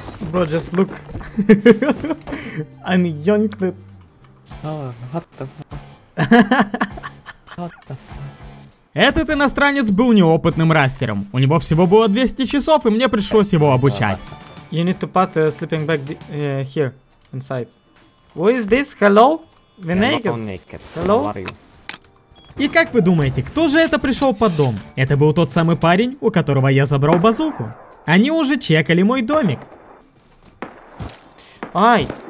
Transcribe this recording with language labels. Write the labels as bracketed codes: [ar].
[en] Bro, just look. I'm young. Oh, what the fuck? What the fuck? [ru] Этот иностранец был неопытным растером. У него всего было 200 часов, и мне пришлось его обучать. [en] You need to put a sleeping bag here, inside. Who is this? Hello? The naked. Naked. Hello? [ru] И как вы думаете, кто же это пришел под дом? Это был тот самый парень, у которого я забрал базуку. Они уже чекали мой домик. Ай!